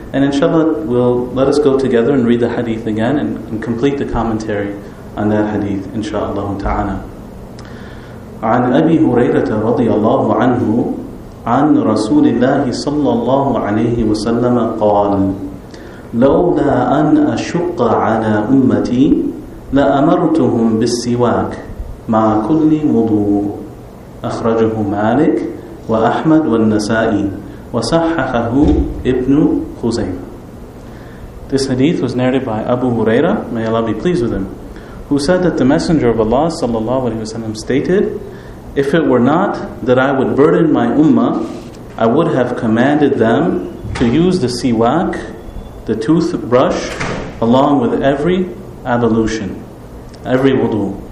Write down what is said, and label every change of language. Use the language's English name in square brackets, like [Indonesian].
[English] And inshallah, let us go together and read the hadith again and complete the commentary on that hadith, inshallah ta'ala. [Arabic] عن أبي هريرة رضي الله عنه عن رسول الله صلى الله عليه وسلم قال لولا أن أشق على أمتي لأمرتهم بالسواك مع كل وضوء أخرجه مالك وأحمد والنسائي وصححه ابن خزيمة. [English] This hadith was narrated by Abu Huraira, may Allah be pleased with him, who said that the Messenger of Allah [Arabic] صلى الله عليه وسلم [English] stated, "If it were not that I would burden my ummah, I would have commanded them to use the siwak, the toothbrush, along with every ablution, every wudu."